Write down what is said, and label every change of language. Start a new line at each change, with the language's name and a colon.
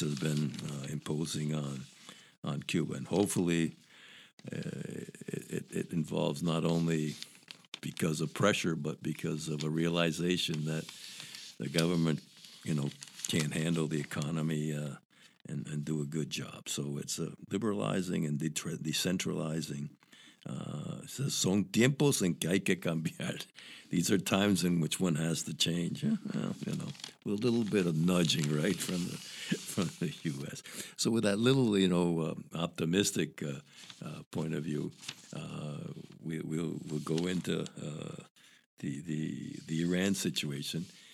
English: has been imposing on Cuba, and hopefully it involves not only because of pressure, but because of a realization that the government, you know, can't handle the economy and do a good job. So it's liberalizing and decentralizing. It says,
Spanish: son tiempos en que hay que cambiar.
English: These are times in which one has to change. Well, you know, with a little bit of nudging, right, from the U.S. So with that little, you know, optimistic point of view, we'll go into the Iran situation.